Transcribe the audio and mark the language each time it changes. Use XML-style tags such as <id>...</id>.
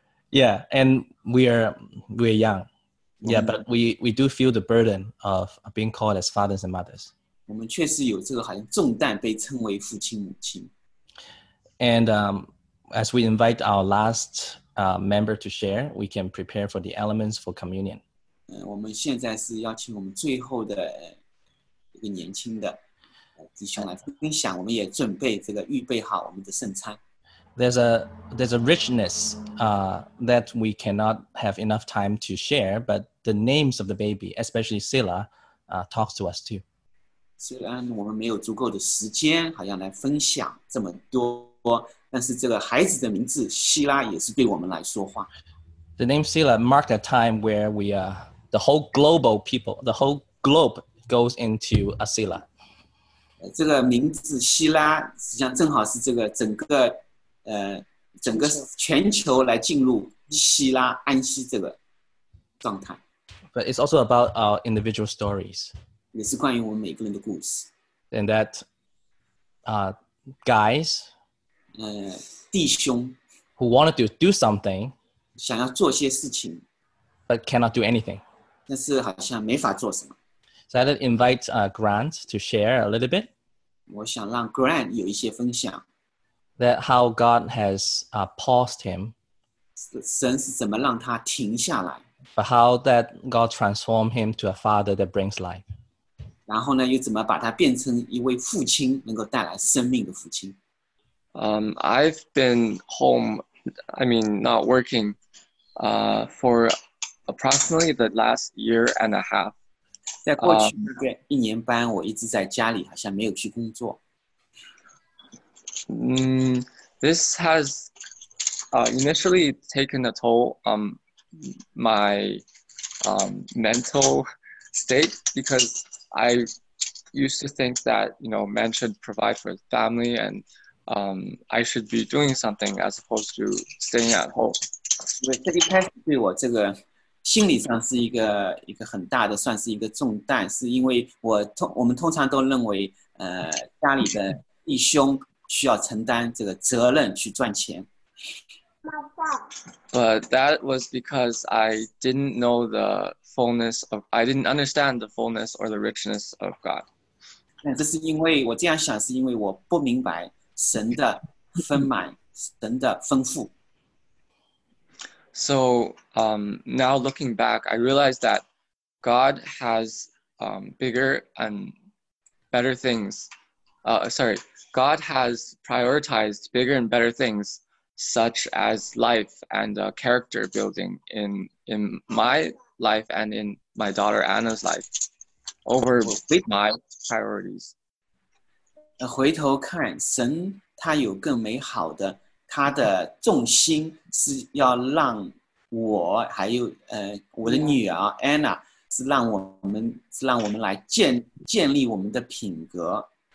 <en>Yeah, and we're young. Yeah, but we do feel the burden of being called as fathers and mothers.</en> <zh>我们确实有这个好像重担被称为父亲母亲。</zh> <en>And as we invite our last member to share, we can prepare for the elements for communion.</en> <zh>我们现在是邀请我们最后的一个年轻的。弟兄来分享，我们也准备这个预备好我们的圣餐。</zh> <en>There's a richness that we cannot have enough time to share, but the names of the baby, especially Sila, talks to us too.</en> <zh>虽然我们没有足够的时间，好像来分享这么多，但是这个孩子的名字希拉也是对我们来说话。</zh> <en>The name Sila marked a time where we are the whole global people, the whole globe goes into a Sila.</en> <zh>这个名字希拉实际上正好是这个整个全球来进入希拉安息这个状态。</zh> <en>But it's also about our individual stories.</en> <zh>也是关于我们每个人的故事。</zh> <en>And that, guys,</en> <zh>弟兄</zh> <en>who wanted to do something,</en> <zh>想要做些事情</zh> <en>but cannot do anything.</en> <zh>但是好像没法做什么。</zh> <en>So I'd invite Grant to share a little bit.</en> <zh>我想让 Grant 有一些分享。</zh> <en>that how God has paused him.</en> <zh>神是怎么让他停下来?</zh> <en>But how that God transformed him to a father that brings life.</en> <zh>然后呢,又怎么把他变成一位父亲,能够带来生命的父亲?</zh> <en>I've been home, I mean, not working, for approximately the last year and a half.</en> <zh>在过去一年半,我一直在家里,好像没有去工作。</zh> <en>This has initially taken a toll on my mental state because I used to think that, you know, man should provide for his family and I should be doing something as opposed to staying at home.</en> <zh>因为这一开始对我这个心理上是一个很大的算是一个重担是因为我们通常都认为家里的弟兄需要承担这个责任去赚钱。</zh> <en>But that was because I didn't know the fullness of, I didn't understand the fullness or the richness of God.</en> <zh>这是因为我这样想，是因为我不明白神的丰满，神的丰富。</zh> <en>So, now looking back, I realized that God has bigger and better things. God has prioritized bigger and better things, such as life and character building in my life and in my daughter Anna's life, over my priorities.</en> <zh>回头看，神他有更美好的，他的重心是要让我还有我的女儿 Anna 是让我们来建立我们的品格。</zh>